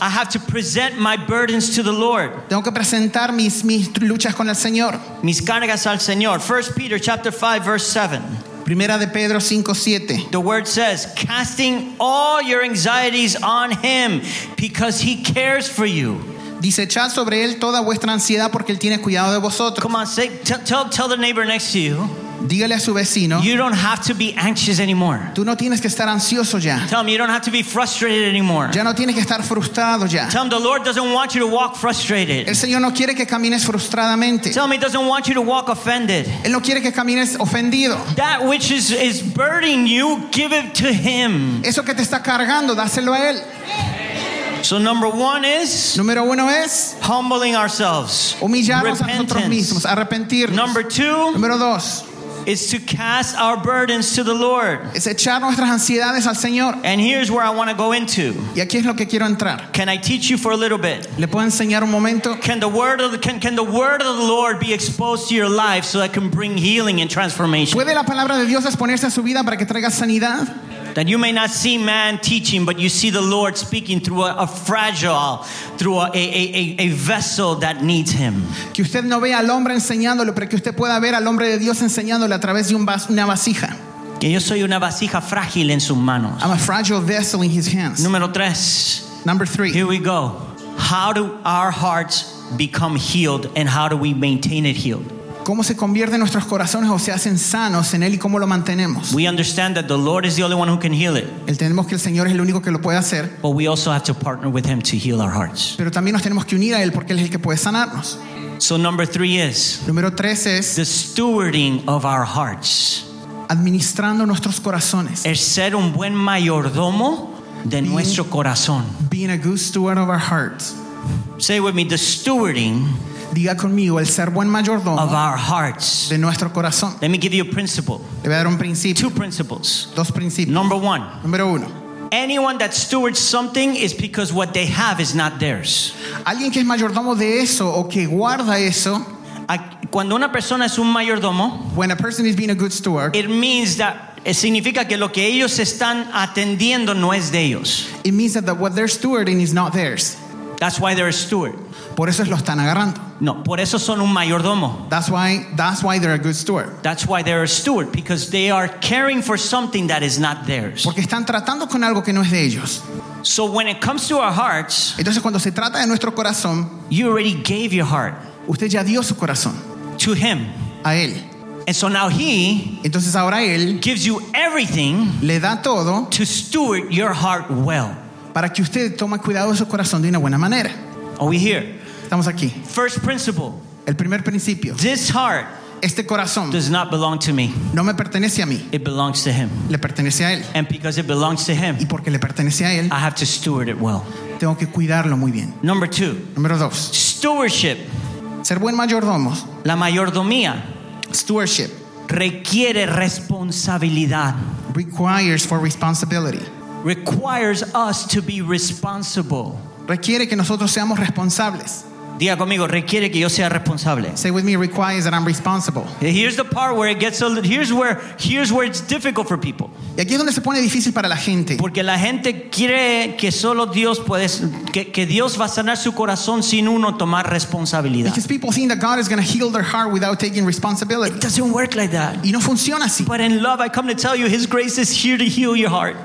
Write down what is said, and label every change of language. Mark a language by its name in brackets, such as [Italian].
[English] I have to present my burdens to the Lord. [Spanish] Tengo que presentar mis luchas con el Señor. Mis cargas al Señor. [English] 1 Peter chapter 5 verse 7. [Spanish] Primera de Pedro 5:7. [English] The word says, casting all your anxieties on him because he cares for you. [Spanish] Dice, echad sobre él toda vuestra ansiedad porque él tiene cuidado de vosotros. [English] Come on, say, tell the neighbor next to you. [Spanish] Dígale a su vecino. [English] You don't have to be anxious anymore. [Spanish] Tú no tienes que estar ansioso ya. [English] Tell him you don't have to be frustrated anymore. [Spanish] Ya no tienes que estar frustrado ya. [English] Tell him the Lord doesn't want you to walk frustrated. [Spanish] El Señor no quiere que camines frustradamente. [English] Tell him he doesn't want you to walk offended. [Spanish] Él no quiere que camines ofendido. [English] That which is burdening you, give it to him. [Spanish] Eso que te está cargando, dáselo a él. [English] So number one is, [Spanish] número uno es, [English] humbling ourselves. [Spanish] Humillarnos a nosotros mismos, arrepentirnos. [English] Number two, [Spanish] número dos, [English] is to cast our burdens to the Lord. [Spanish] Es echar nuestras ansiedades al Señor. [English] And here's where I want to go into. [Spanish] Y aquí es lo que quiero entrar. [English] Can I teach you for a little bit? [Spanish] ¿Le puedo enseñar un momento? [English] Can the word of the Lord be exposed to your life so that can bring healing and transformation? [Spanish] ¿Puede la palabra de Dios exponerse a su vida para que traiga sanidad? [English] That you may not see man teaching, but you see the Lord speaking through a fragile, through a vessel that needs him. [Spanish] Que usted no vea al hombre enseñándolo, pero que usted pueda ver al hombre de Dios enseñándole a través de una vasija. Que yo soy una vasija frágil en sus manos. [English] I'm a fragile vessel in his hands. [Spanish] Número tres. [English] Number three. Here we go. How do our hearts become healed and how do we maintain it healed? [Spanish] ¿Cómo se convierten nuestros corazones o se hacen sanos en él y cómo lo mantenemos? [English] We understand that the Lord is the only one who can heal it. [Spanish] Entendemos que el Señor es el único que lo puede hacer. [English] But we also have to partner with him to heal our hearts. [Spanish] Pero también nos tenemos que unir a él porque él es el que puede sanarnos. [English] So number three is, [Spanish] número tres es, [English] the stewarding of our hearts. [Spanish] Administrando nuestros corazones. Es ser un buen mayordomo de being, nuestro corazón. [English] Being a good steward of our hearts. Say with me, the stewarding. [Spanish] Diga conmigo, el ser buen mayordomo [English] of our hearts. [Spanish] De nuestro corazón. [English] Let me give you a principle. [Spanish] Le voy a dar un principio. [English] Two principles. [Spanish] Dos principios. [English] Number one. [Spanish] Número uno. [English] Anyone that stewards something is because what they have is not theirs. [Spanish] Alguien que es mayordomo de eso o que guarda eso. Cuando una persona es un mayordomo, [English] when a person is being a good steward, it means that [Spanish] significa que lo que ellos están atendiendo no es de ellos. [English] It means that what they're stewarding is not theirs. That's why they're a steward. [Spanish] Por eso lo están agarrando. No, por eso son un mayordomo. [English] That's why they're a good steward. That's why they're a steward, because they are caring for something that is not theirs. [Spanish] Porque están tratando con algo que no es de ellos. [English] So when it comes to our hearts, [Spanish] entonces cuando se trata de nuestro corazón, [English] you already gave your heart. [Spanish] Usted ya dio su corazón. [English] To him. [Spanish] A él. [English] And so now he, [Spanish] entonces ahora él, [English] gives you everything, [Spanish] le da todo, [English] to steward your heart well. [Spanish] Para que usted tome cuidado de su corazón de una buena manera. [English] Are we here? [Spanish] Estamos aquí. [English] First principle. [Spanish] El primer principio. [English] This heart, [Spanish] este corazón, [English] does not belong to me. [Spanish] No me pertenece a mí. [English] It belongs to him. [Spanish] Le pertenece a él. [English] And because it belongs to him, [Spanish] y porque le pertenece a él, [English] I have to steward it well. [Spanish] Tengo que cuidarlo muy bien. [English] Number two. [Spanish] Número dos. [English] Stewardship. [Spanish] Ser buen mayordomo. La mayordomía. [English] Stewardship. [Spanish] Requiere responsabilidad. [English] Requires for responsibility. Requires us to be responsible. [Spanish] Requiere que nosotros seamos responsables. Diga conmigo, requiere que yo sea responsable. [English] Say with me, requires that I'm responsible. Here's the part where it gets a little, here's where it's difficult for people. [Spanish] Y aquí es donde se pone difícil para la gente. Porque la gente cree que solo Dios puede, que Dios va a sanar su corazón sin uno tomar responsabilidad. [English] Because people think that God is going to heal their heart without taking responsibility. It doesn't work like that. [Spanish] Y no funciona así. [English] But in love, I come to tell you, His grace is here to heal your heart.